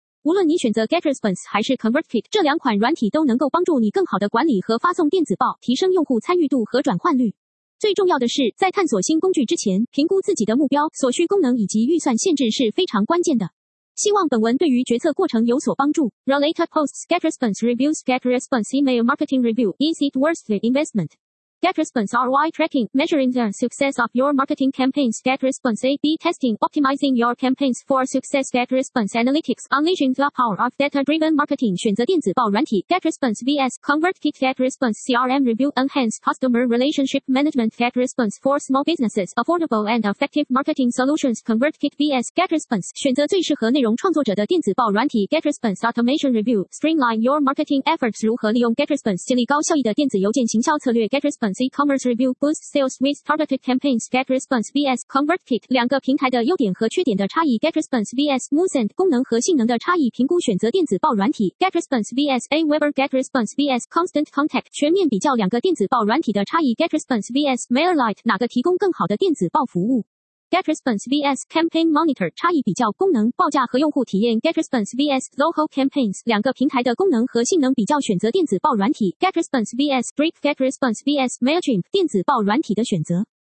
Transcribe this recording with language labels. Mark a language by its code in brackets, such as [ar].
[zh] 无论你选择 GetResponse 还是 ConvertKit， 这两款软体都能够帮助你更好的管理和发送电子报，提升用户参与度和转换率。最重要的是，在探索新工具之前，评估自己的目标、所需功能以及预算限制是非常关键的。希望本文对于决策过程有所帮助。 [en] Related posts: GetResponse reviews, GetResponse email marketing review. Is it worth the investment? GetResponse ROI tracking, measuring the success of your marketing campaigns. GetResponse A/B testing, optimizing your campaigns for success. GetResponse analytics, unleashing the power of data-driven marketing. [zh] 选择电子报软体 GetResponse vs ConvertKit. [en] GetResponse CRM review, enhanced customer relationship management. GetResponse for small businesses, affordable and effective marketing solutions. ConvertKit vs GetResponse, [zh] 选择最适合内容创作者的电子报软体 [en] GetResponse automation review, streamline your marketing efforts. [zh] 如何利用 GetResponse 建立高效益的电子邮件行销策略 GetResponseCommerce [en] Review Boost Sales with Targeted Campaigns. [zh] GetResponse vs ConvertKit 两个平台的优点和缺点的差异 GetResponse vs MooSend 功能和性能的差异评估选择电子报软体 GetResponse vs AWeber GetResponse vs Constant Contact 全面比较两个电子报软体的差异 GetResponse vs MailerLite 哪个提供更好的电子报服务GetResponse vs Campaign Monitor 差异比较功能报价和用户体验 GetResponse vs Zoho Campaigns 两个平台的功能和性能比较选择电子报软体 GetResponse vs Brief GetResponse vs MailChimp 电子报软体的选择